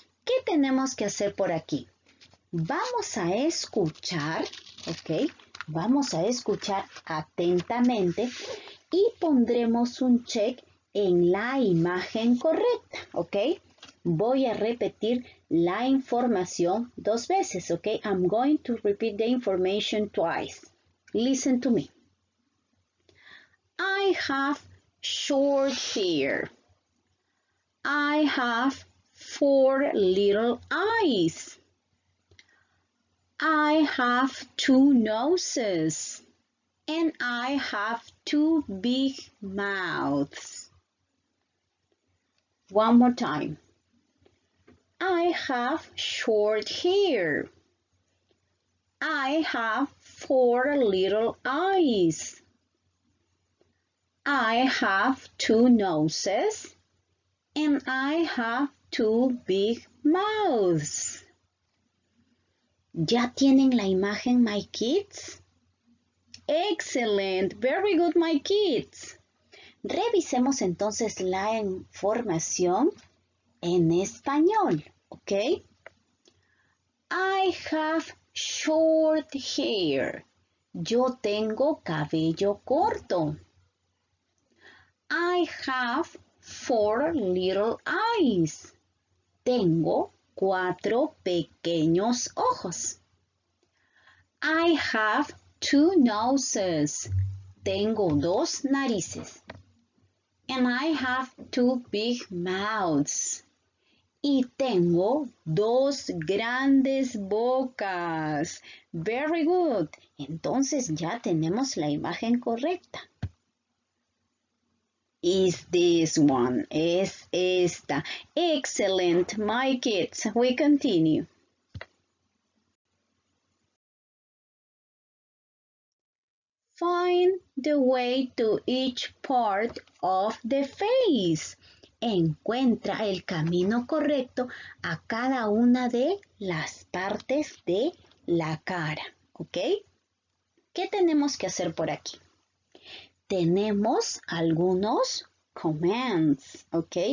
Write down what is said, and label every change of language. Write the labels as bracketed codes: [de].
[es] ¿Qué tenemos que hacer por aquí? Vamos a escuchar, ¿ok? Vamos a escuchar atentamente y pondremos un check en la imagen correcta, ¿ok? Voy a repetir la información dos veces, ¿ok? [en] I'm going to repeat the information twice. Listen to me. I have short hair. I have four little eyes. I have two noses. And I have two big mouths. One more time. I have short hair. I have four little eyes. I have two noses. And I have two big mouths. [es] ¿Ya tienen la imagen, [en] my kids? Excellent. Very good, my kids. [es] Revisemos entonces la información en español, ¿ok? [en] I have short hair. [es] Yo tengo cabello corto. [en] I have four little eyes. [es] Tengo cuatro pequeños ojos. [en] I have two noses. [es] Tengo dos narices. [en] And I have two big mouths. [es] Y tengo dos grandes bocas. [en] Very good. [es] Entonces ya tenemos la imagen correcta. [en] Is this one? [es] Es esta. [en] Excellent, my kids. We continue. Find the way to each part of the face. [es] Encuentra el camino correcto a cada una de las partes de la cara. ¿Ok? ¿Qué tenemos que hacer por aquí? Tenemos algunos commands. ¿Ok?